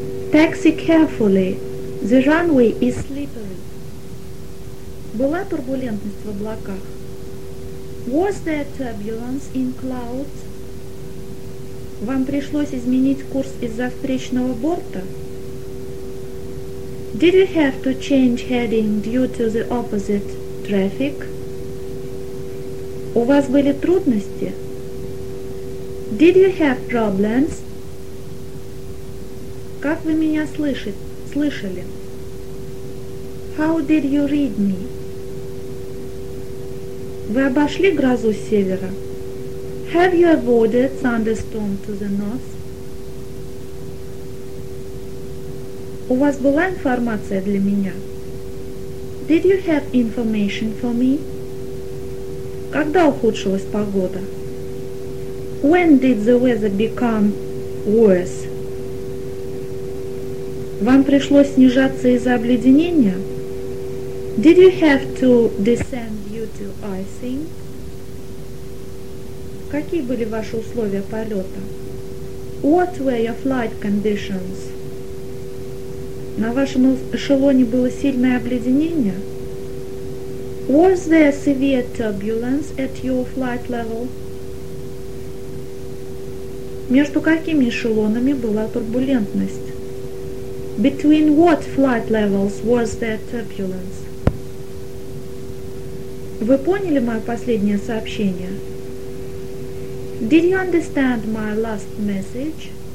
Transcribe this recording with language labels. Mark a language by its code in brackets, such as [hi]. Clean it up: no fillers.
[en] Taxi carefully. The runway is slippery. [ru] Была турбулентность в облаках? [en] Was there turbulence in clouds? [ru] Вам пришлось изменить курс из-за встречного борта? [en] Did you have to change heading due to the opposite traffic? [ru] У вас были трудности? [en] Did you have problems? [ru] Как вы меня слышали? [en] How did you read me? [ru] Вы обошли грозу с севера? [en] Have you avoided thunderstorm to the north? [ru] У вас была информация для меня? [en] Did you have information for me? [ru] Когда ухудшилась погода? [en] When did the weather become worse? [ru] Вам пришлось снижаться из-за обледенения? [en] Did you have to descend due to icing? [ru] Какие были ваши условия полета? [en] What were your flight conditions? [ru] На вашем эшелоне было сильное обледенение? [en] Was there severe turbulence at your flight level? [ru] Между какими эшелонами была турбулентность? [en] Between what flight levels was there turbulence? [ru] Вы поняли мое последнее сообщение? [en] Did you understand my last message?